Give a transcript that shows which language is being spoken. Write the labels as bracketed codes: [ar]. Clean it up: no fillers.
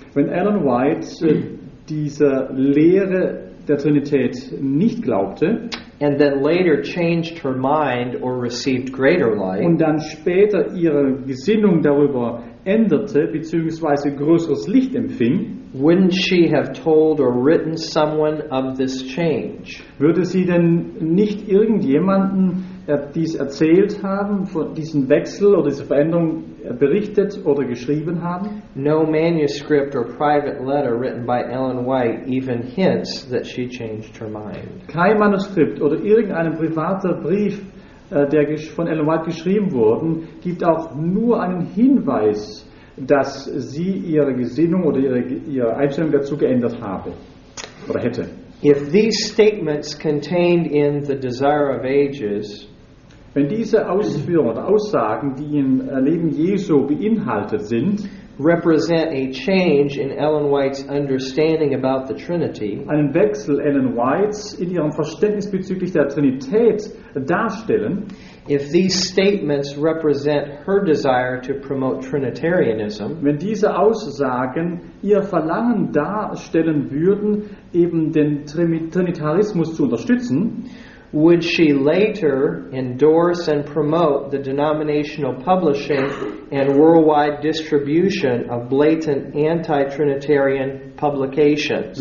[de] wenn Ellen White diese Lehre der Trinität nicht glaubte, [en] and then later changed her mind or received greater light, [de] und dann später ihre Gesinnung darüber änderte beziehungsweise größeres Licht empfing, [en] wouldn't she have told or written someone of this change? [de] Würde sie denn nicht irgendjemanden dies erzählt haben, von diesem Wechsel oder dieser Veränderung berichtet oder geschrieben haben? [en] No manuscript or private letter written by Ellen White even hints that she changed her mind. [de] Kein Manuskript oder irgendein privater Brief, der von Ellen White geschrieben wurde, gibt auch nur einen Hinweis, dass sie ihre Gesinnung oder ihre Einstellung dazu geändert habe oder hätte. [en] If these statements contained in the Desire of Ages, [de] wenn diese Ausführungen oder Aussagen, die im Leben Jesu beinhaltet sind, [en] represent a change in Ellen White's understanding about the Trinity, [de] einen Wechsel Ellen White's in ihrem Verständnis bezüglich der Trinität darstellen, [en] if these statements represent her desire to promote Trinitarianism, [de] wenn diese Aussagen ihr Verlangen darstellen würden, eben den Trinitarismus zu unterstützen, [en] would she later endorse and promote the denominational publishing and worldwide distribution of blatant anti-Trinitarian publications?